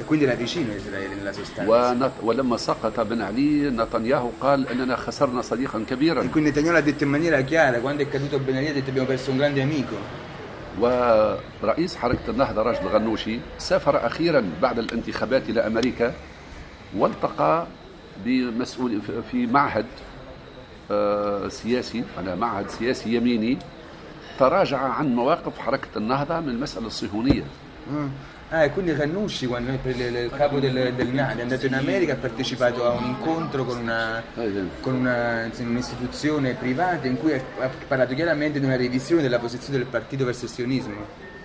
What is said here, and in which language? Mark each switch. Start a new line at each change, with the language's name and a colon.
Italian: E quindi era vicino Israele nella sostanza.
Arabic: ولما سقط بن علي نتنياهو قال اننا خسرنا صديقا كبيرا.
Italian: E quindi Netanyahu ha detto in maniera chiara quando è caduto Ben Ali ha detto abbiamo perso un grande amico.
Arabic: ورئيس حركة النهضة راشد غنوشي سافر أخيرا بعد الانتخابات إلى أمريكا والتقى بمسؤول في معهد سياسي على معهد سياسي يميني. تراجع عن مواقف حركة النهضة من المسألة الصهيونية.
Italian: Quindi Ghannouchi, quando il capo del NAD è andato in America, ha partecipato a un incontro con un'istituzione privata in cui ha parlato chiaramente di una revisione della posizione del partito verso il sionismo.